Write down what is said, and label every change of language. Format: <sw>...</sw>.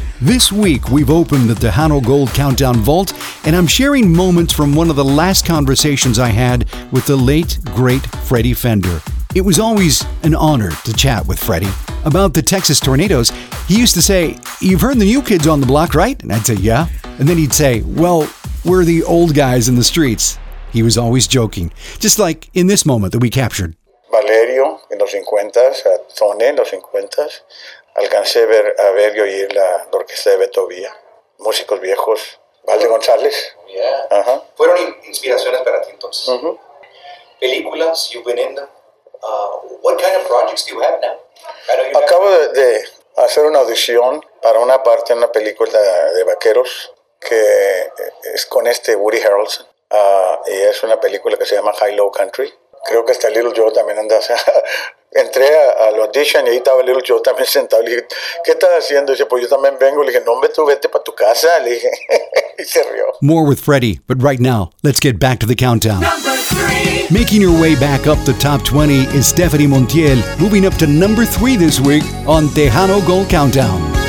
<en>This week, we've opened the Tejano Gold Countdown vault, and I'm sharing moments from one of the last conversations I had with the late, great Freddie Fender. It was always an honor to chat with Freddie. About the Texas Tornadoes, he used to say, "You've heard the new kids on the block, right?" And I'd say, "Yeah." And then he'd say, "Well, we're the old guys in the streets." He was always joking. Just like in this moment that we captured.</en> <es>Valerio, in los 50s, Tony, in los 50s, alcancé a ver y oír la orquesta de Beto Villa, músicos viejos, Valde González.</es> <en>Yeah.</en> <es>Uh-huh. Fueron inspiraciones para ti entonces. Uh-huh. Películas,</es> <en>you've been in them. What kind of projects do you have now?</en> <es>Acabo de hacer una audición para una parte en una película de vaqueros que es con este Woody Harrelson y es una película que se llama High Low Country. Creo que está Little Joe también anda. O sea, entré al audition y ahí estaba Little Joe también sentado. Le dije, ¿qué estás haciendo? Y dice, pues yo también vengo. Le dije, no, hombre, tú vete para tu casa. Le dije, y se rió.</es> <en>More with Freddie, but right now, let's get back to the countdown. Making your way back up the top 20 is Stephanie Montiel, moving up to number 3 this week on Tejano Gold Countdown.</en>